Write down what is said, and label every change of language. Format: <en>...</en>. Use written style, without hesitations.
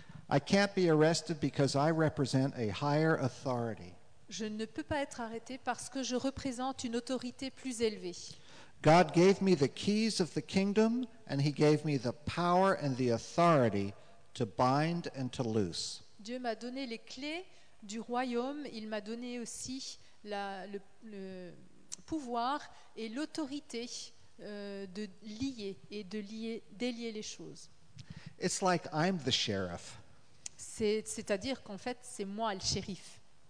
<en>I can't be arrested because I represent a higher authority.</en> <fr>Je ne peux pas être arrêté parce que je représente une autorité plus élevée.</fr> <en>God gave me the keys of the kingdom and he gave me the power and the authority to bind and to loose.</en> <fr>Dieu m'a donné les clés du royaume, il m'a donné aussi le pouvoir et l'autorité de lier et de délier les choses.</fr> <en>It's like I'm the sheriff.</en> <fr>C'est-à-dire qu'en fait, c'est moi le shérif.</fr>